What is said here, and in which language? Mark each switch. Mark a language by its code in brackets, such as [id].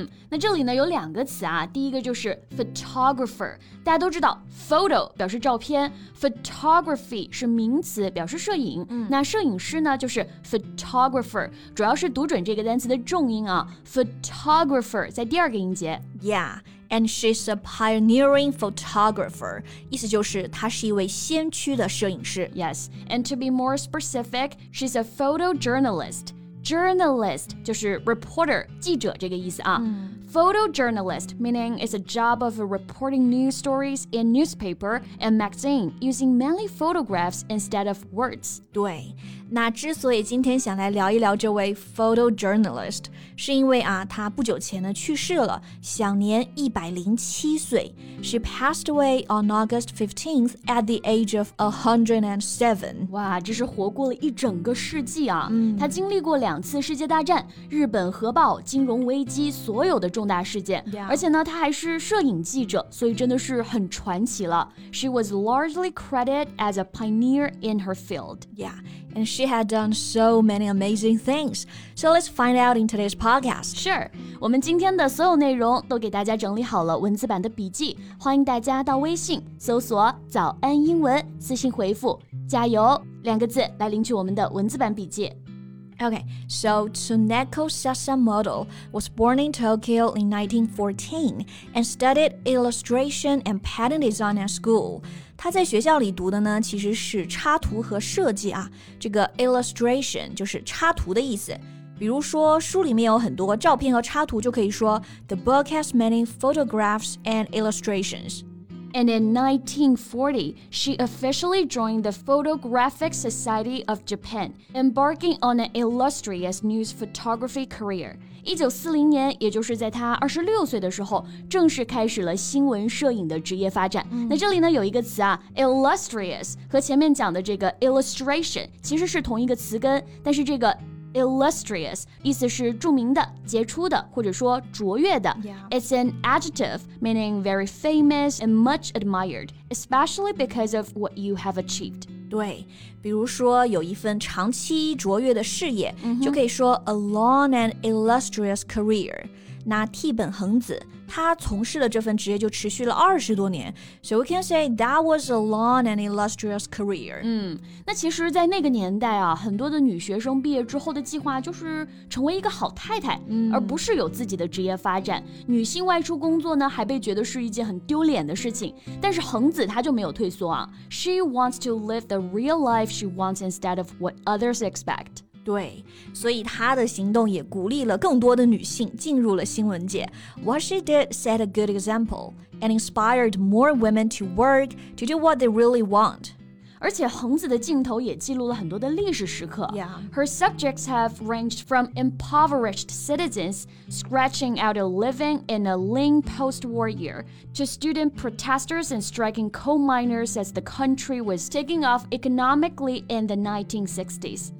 [zh] 那这里呢有两个词啊，第一个就是 photographer， 大家都知道 photo 表示照片， photography 是名词表示摄影。那摄影师呢就是 photographer， 主要是读准这个单词的重音啊， photographer 在第二个音节。 [en] Yeah, and she's a pioneering photographer. [zh] 意思就是她是一位先驱的摄影师。 [en] Yes, and to be more specific, she's a photojournalist. [zh] Journalist 就是 reporter, 记者这个意思啊。 [en] Photojournalist, meaning it's a job of reporting news stories in newspaper and magazine using mainly photographs instead of words. [zh] 对，那之所以今天想来聊一聊这位 photojournalist, 是因为啊，她不久前呢去世了，享年107岁。 [en] She passed away on August 15th at the age of 107. [zh] 哇，这是活过了一整个世纪啊。她经历过两次世界大战、日本核爆、金融危机，所有的重大事件。而且呢，她还是摄影记者，所以真的是很传奇了。 [en] She was largely credited as a pioneer in her field. Yeah. And she had done so many amazing things. So let's find out in today's podcast. Sure. [zh] 我们今天的所有内容都给大家整理好了文字版的笔记。欢迎大家到微信搜索早安英文，私信回复加油两个字来领取我们的文字版笔记。 [en] Okay, so Tsuneko Sasamoto was born in Tokyo in 1914 and studied illustration and pattern design at school. [zh] 她在学校里读的呢其实是插图和设计啊。这个 illustration 就是插图的意思。比如说书里面有很多照片和插图，就可以说 [en] The book has many photographs and illustrations. And in 1940, she officially joined the Photographic Society of Japan, embarking on an illustrious news photography career. [zh] 1940年，也就是在她26岁的时候，正式开始了新闻摄影的职业发展。那这里呢，有一个词啊 ，illustrious， 和前面讲的这个 illustration 其实是同一个词根，但是这个Illustrious, 意思是著名的、杰出的，或者说卓越的。 [en] It's an adjective meaning very famous and much admired, especially because of what you have achieved. [zh] 对，比如说有一份长期卓越的事业，就可以说 [en] a long and illustrious career. [zh] 那替本恒子，他从事的这份职业就持续了二十多年。 [en] So we can say that was a long and illustrious career. [zh] 那其实在那个年代啊，很多的女学生毕业之后的计划就是成为一个好太太，而不是有自己的职业发展。女性外出工作呢，还被觉得是一件很丢脸的事情。但是恒子她就没有退缩啊。 [en] She wants to live the real life she wants instead of what others expect. [zh] 对，所以她的行动也鼓励了更多的女性进入了新闻界。 [en] What she did set a good example and inspired more women to work to do what they really want. [zh] 而且恒子的镜头也记录了很多的历史时刻。 [en] Yeah. Her subjects have ranged from impoverished citizens scratching out a living in a lean post-war year to student protesters and striking coal miners as the country was taking off economically in the 1960s.